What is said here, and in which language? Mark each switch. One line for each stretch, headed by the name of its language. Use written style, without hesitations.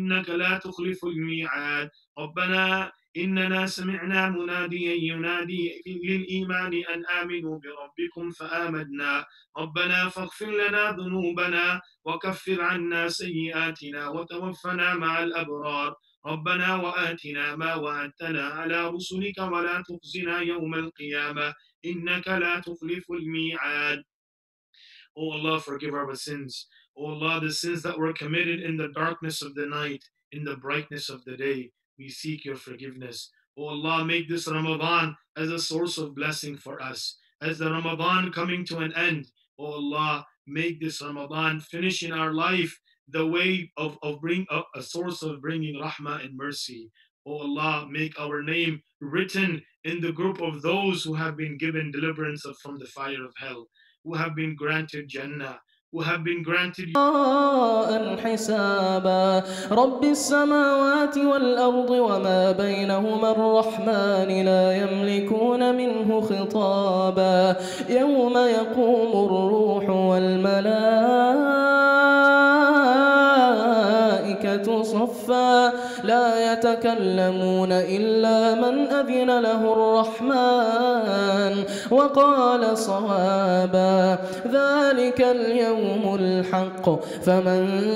Arabic: لا تخلف الميعاد ربنا إننا سمعنا مناديا ينادي للإيمان أن آمنوا بربكم فآمنا ربنا فاغفر لنا ذنوبنا وكفر عنا سيئاتنا وتوفنا مع الأبرار ربنا وآتنا ما وعدتنا على رسلك ولا تخزنا يوم القيامة إنك لا تخلف الميعاد
English: Oh Allah, forgive our sins. Oh Allah, the sins that were committed in the darkness of the night, in the brightness of the day, we seek your forgiveness. Oh Allah, make this Ramadan as a source of blessing for us. As the Ramadan coming to an end, Oh Allah, make this Ramadan finish in our life the way of a source of bringing rahmah and mercy. Oh Allah, make our name written in the group of those who have been given deliverance from the fire of hell, who have been granted Jannah, who have been granted
Arabic: الحساب رب السماوات والأرض وما بينهما الرحمن لا يملكون منه خطابا يوم يقوم الروح والملائكة صفا لا يتكلمون إلا من أذن له الرحمن وقال صوابا ذلك اليوم الحق فمن